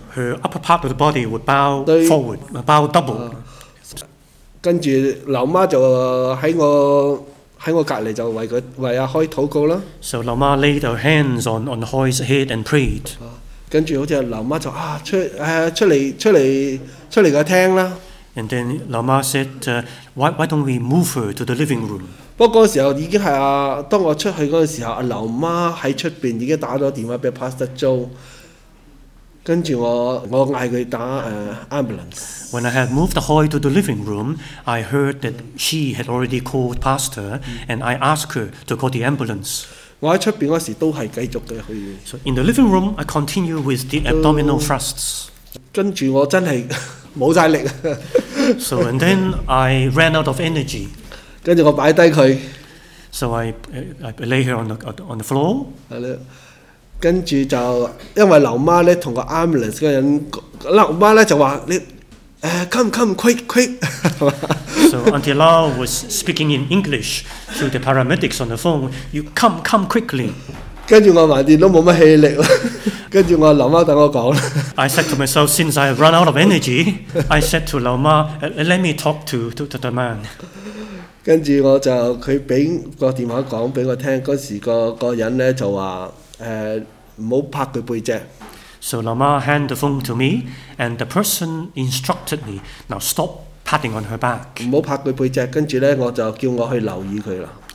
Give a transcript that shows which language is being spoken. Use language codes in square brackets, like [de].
[en] Her upper part of the body would bow forward, bow double. [yue] 跟住劉媽就喺我隔離就為阿開禱告啦。 [en] So 劉媽 laid her hands on Hoy's head and prayed。 [yue] 跟住好似劉媽就出嚟個廳啦。 [en] And then 劉媽 said, why don't we move her to the living room？ [yue] 不過嗰時候已經係當我出去嗰陣時候，劉媽喺出邊已經打咗電話俾 Pastor Joe。跟住我嗌佢打ambulance。 [en] When I had moved Hoy to the living room, I heard that she had already called pastor, and I asked her to call the ambulance. [yue] 我喺出邊嗰時都係繼續嘅去。 [en] So in the living room, I continue with the abdominal thrusts. [yue] 跟住我真係冇曬力。 [en] So and then I ran out of energy. [yue] 跟住我擺低佢。 [en] So I lay her on the floor. [yue] 跟住就因為劉媽咧同個 ambulance 嗰人，劉媽咧就話你 [en] come quick。 So Auntie Lau was speaking in English to the paramedics on the phone. You come quickly。 [yue] 跟住我還掂都冇乜氣力啦。跟住我劉媽等我講。 [en] I said to myself, since I have run out of energy, I said to 劉媽, let me talk to the man。 [yue] 跟住我就佢俾個電話講俾我聽，嗰時個人咧就話。唔好拍佢背脊。 [en] So Lama handed the phone to me, and the person instructed me, now stop patting on her back. [yue] 唔好拍佢背脊，跟住咧我就叫我去留意佢啦。